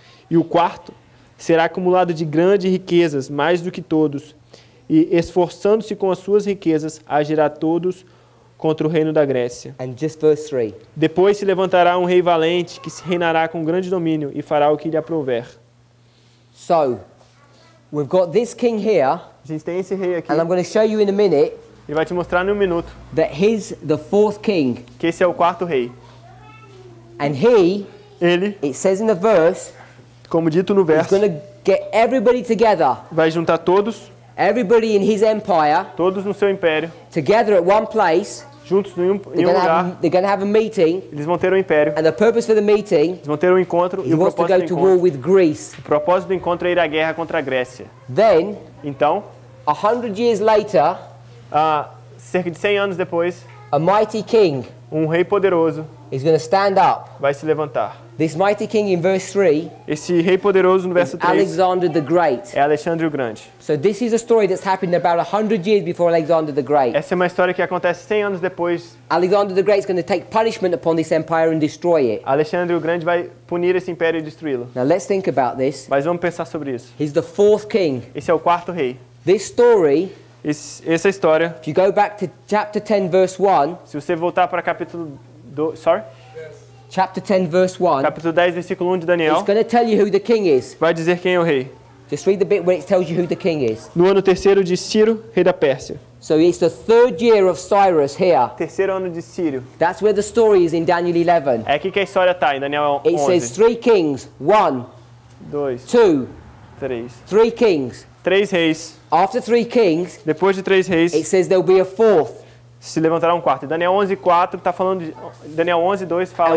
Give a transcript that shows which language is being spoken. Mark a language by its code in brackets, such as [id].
[pt] E o quarto será acumulado de grandes riquezas, mais do que todos, e esforçando-se com as suas riquezas, agirá todos contra o reino da Grécia. [en] And just verse 3. [pt] Depois se levantará um rei valente, que se reinará com grande domínio, e fará o que lhe aprouver. [en] So, we've got this king here, [pt] a gente tem esse rei aqui, [en] and I'm going to show you in a minute, [pt] e vai te mostrar em um minuto, [en] that he's the fourth king, [pt] que esse é o quarto rei. [en] And he, [pt] ele, [en] it says in the verse, [pt] como dito no verso, [en] he's going to get everybody together, [pt] vai juntar todos, [en] everybody in his empire, [pt] todos no seu império, [en] together at one place, [pt] juntos em um [en] lugar, they're going to have a meeting, [pt] eles vão ter um império, [en] and the purpose for the meeting, [pt] eles vão ter um encontro, [en] he wants to go to war with Greece. [pt] O propósito do encontro é ir à guerra contra a Grécia. [en] Then, [pt] então, [en] 100 years later, [pt] cerca de 100 anos depois, [en] a mighty king, [pt] rei poderoso, [en] is going to stand up. [pt] Vai se levantar. [en] This mighty king in verse 3, [pt] esse rei poderoso no verso 3, [en] Alexander the Great. [pt] É Alexandre o Grande. [en] So this is a story that's happened about 100 years before Alexander the Great. [pt] Essa é uma história que acontece 100 anos depois. [en] Alexander the Great is going to take punishment upon this empire and destroy it. [pt] Alexandre o Grande vai punir esse império e destruí-lo. [en] Now let's think about this. [pt] Mas vamos pensar sobre isso. [en] He's the fourth king. [pt] Esse é o quarto rei. [en] This story, [pt] essa história, [en] if you go back to chapter 10 verse 1, [pt] se você voltar para capítulo sorry? [en] Chapter 10, verse 1. [pt] Capítulo 10, versículo 1 de Daniel. [en] It's going to tell you who the king is. [pt] Vai dizer quem é o rei. [en] Just read the bit where it tells you who the king is. [pt] No ano terceiro de Ciro, rei da Pérsia. [en] So it's the third year of Cyrus here. [pt] Terceiro ano de Ciro. [en] That's where the story is in Daniel 11. [pt] É aqui que a história está, em Daniel 11. [en] It says three kings. One. [pt] Dois. [en] Two. [pt] Três. [en] Three kings. [pt] Três reis. [en] After three kings. [pt] Depois de três reis. [en] It says there'll be a fourth. [pt] Se levantará um quarto. Daniel 11:4 está falando de Daniel 11:2 fala